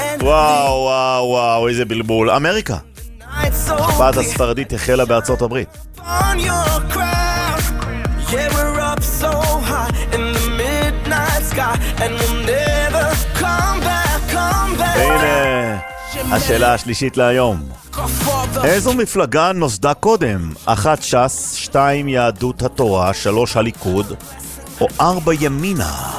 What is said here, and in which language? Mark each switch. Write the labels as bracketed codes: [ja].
[he] וואו, וואו, וואו, איזה בלבול. אמריקה. הפעת הספרדית החלה בארצות הברית. [en] On your craft. Yeah, we're up so high in the midnight sky and we'll never come back, come back. [he] והנה, השאלה השלישית להיום. איזו מפלגה נוסדה קודם? אחת ש"ס, שתיים יהדות התורה, שלוש הליכוד, או ארבע ימינה?